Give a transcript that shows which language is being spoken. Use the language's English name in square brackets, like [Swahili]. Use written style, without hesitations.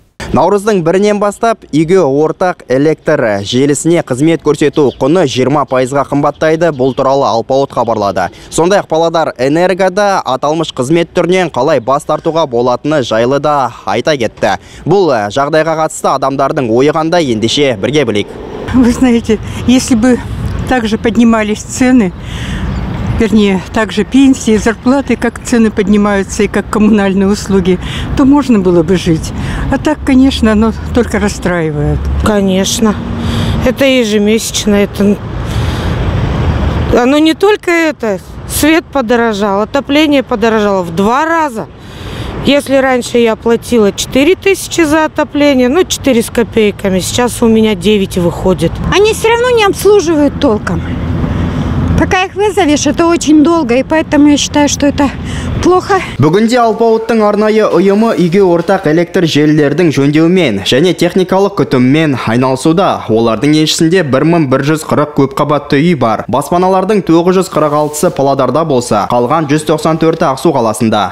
[Kazakh] Наурыздың бірінен бастап, үйге ортақ электр желісіне қызмет көрсету құны 20%-ға қымбаттайды, бұл туралы Алпауыт хабарлады. Сондай-ақ Павлодар энергода аталмыш қызмет түрінен қалай бас тартуға болатыны жайлы да айта кетті. Бұл жағдайға қатысты адамдардың ойы қандай, ендеше бірге білейік. [Russian] Вы знаете, если бы также поднимались цены, вернее, также пенсии, зарплаты, как цены поднимаются и как коммунальные услуги, то можно было бы жить. А так, конечно, оно только расстраивает. Конечно. Это ежемесячно. Это... Оно не только это. Свет подорожал, отопление подорожало в два раза. Если раньше я платила 4 тысячи за отопление, ну, 4 с копейками, сейчас у меня 9 выходит. Они все равно не обслуживают толком. Пока их вызовешь, это очень долго, и поэтому я считаю, что это плохо. [Kazakh] Бүгінде Алпауыттың арнайы ұйымы үйге ортақ электр желілердің жөндеумен және техникалық күтіммен айналысуда. Олардың еншісінде 1140 көпқабатты үй бар. Баспаналардың 946-сы Павлодарда болса, қалған 194-і Ақсу қаласында.